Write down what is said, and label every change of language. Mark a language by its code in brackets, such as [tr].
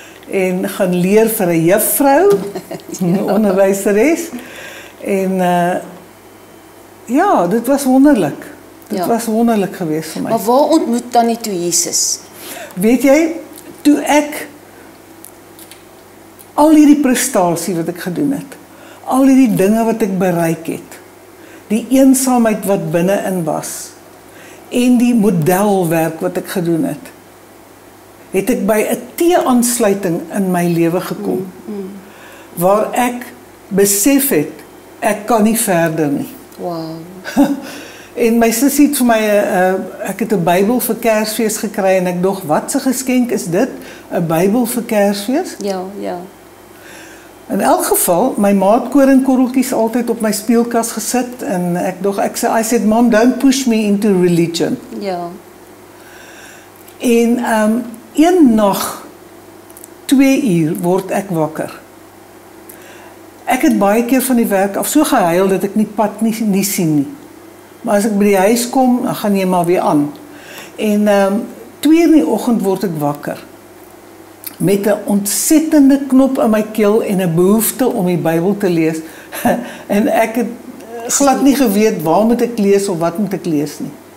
[af] En gaan leer vir 'n juffrou, 'n onderwyseres. En ja, dit was wonderlik. Dit was wonderlik geweest vir my. Maar waar ontmoet dan nie toe Jesus? Weet jy, toe ek al hierdie prestasie wat ek gedoen het, al hierdie dinge wat ek bereik het, die eensaamheid wat binne-in was, en die modelwerk wat ek gedoen het, het ek by 'n T-aansluiting in my lewe gekom, waar ek besef het, ek kan nie verder nie. Wow. En my sussie het vir my, ek het 'n Bybel vir Kersfees gekry, en ek dog, wat 'n geskenk is dit, 'n Bybel vir Kersfees? Ja, ja. In elk geval, my maat koringkorreltjies altyd op my speelkas gesit en ek dog, ek sê, [en] I said, Mom, don't push me into religion. [af] Ja. En een nag, 2 uur, word ek wakker. Ek het baie keer van die werk af so gehuil dat ek nie pad nie sien nie. Maar as ek by die huis kom, dan gaan jy maar weer aan. En 2 uur in die oggend word ek wakker met 'n ontsettende knop in my keel en 'n behoefte om die Bybel te lees. En ek het glad nie geweet waar moet ek lees of wat moet ek lees nie.